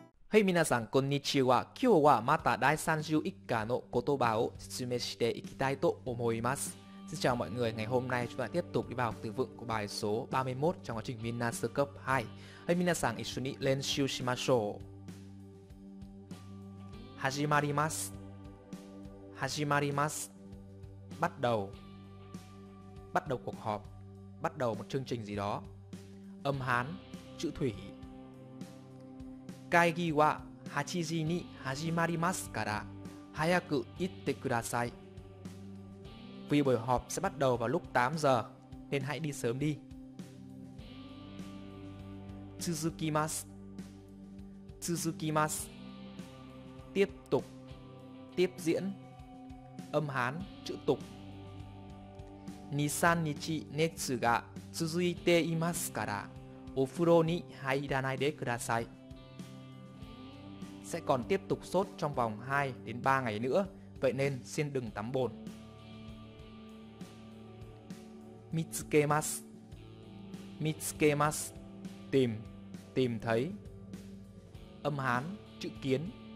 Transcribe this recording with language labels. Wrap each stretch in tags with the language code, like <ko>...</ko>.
<ja>Hey, 皆さんこんにちは。今日はまた第31課の言葉を説明していきたいと思います。</ja> <vi>Xin chào mọi người, ngày hôm nay chúng ta tiếp tục đi vào từ vựng của bài số 31 trong quá trình Minna sơ cấp 2.</vi> <ja>Hey, 皆さん一緒に練習しましょう。始まります。始まります。</ja> <vi>Bắt đầu. Bắt đầu cuộc họp. Bắt đầu một chương trình gì đó. Âm hán, chữ thủy.</vi> <ja>会議は8時に始まりますから早く行ってください。</ja> <vi>Vì buổi họp sẽ bắt đầu vào lúc 8 giờ nên hãy đi sớm đi.</vi> <ja>続きます。続きます。</ja> <vi>Tiếp tục. Tiếp diễn. Âm hán chữ tục.</vi> <ja>2-3 日熱が続いていますからお風呂に入らないでください。</ja> <vi>Sẽ còn tiếp tục sốt trong vòng 2 đến 3 ngày nữa, vậy nên xin đừng tắm bồn.</vi> <ja>Mitsukemasu.</ja> <vi>Tìm thấy. Âm hán, chữ kiến.</vi>